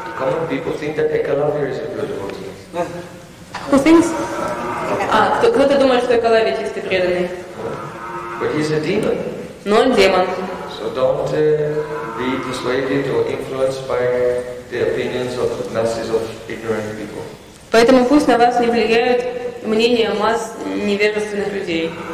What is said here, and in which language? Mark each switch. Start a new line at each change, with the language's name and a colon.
English: Common people think that Ekalavya is a good devotee. Who thinks?
Russian: Кто-то думает, что это лавит, если ты преданный.
English: But he's a demon.
Russian: Но он демон.
English: So don't be persuaded or influenced by the opinions of masses of ignorant people.
Russian: Поэтому пусть на вас не влияют мнения масс невежественных людей.